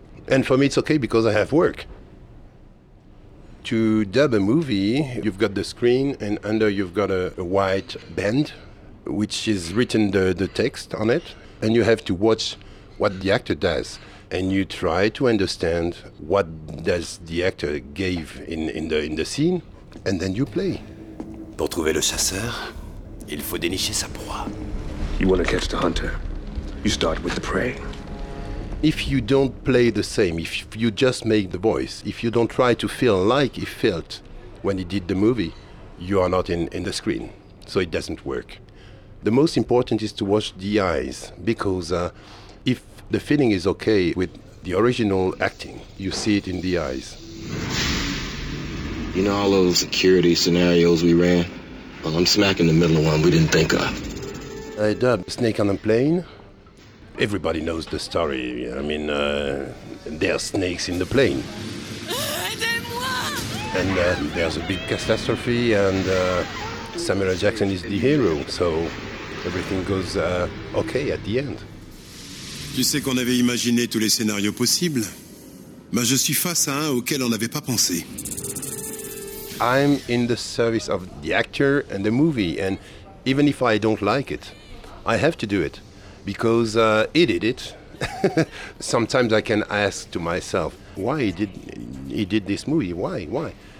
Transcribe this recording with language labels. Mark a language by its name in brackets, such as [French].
[English] And for me, it's okay because I have work. To dub a movie, you've got the screen and under you've got a white band, which is written the text on it. And you have to watch what the actor does. And you try to understand what does the actor gave in the scene, and then you play. [French] Pour trouver le chasseur, il faut dénicher sa proie. [English] You want to catch the hunter, you start with the prey. If you don't play the same, if you just make the voice, if you don't try to feel like he felt when he did the movie, you are not in the screen, so it doesn't work. The most important is to watch the eyes, because if the feeling is okay with the original acting, you see it in the eyes. You know all those security scenarios we ran? Well, I'm smack in the middle of one we didn't think of. I dubbed Snake on a Plane. Everybody knows the story. I mean, there are snakes in the plane. And there's a big catastrophe, and Samuel L. Jackson is the hero, so everything goes okay at the end. [French] Tu sais qu'on avait imaginé tous les scénarios possibles, mais je suis face à un auquel on n'avait pas pensé. [English] I'm in the service of the actor and the movie, and even if I don't like it, I have to do it. Because he did it. Sometimes I can ask to myself, why he did this movie? Why?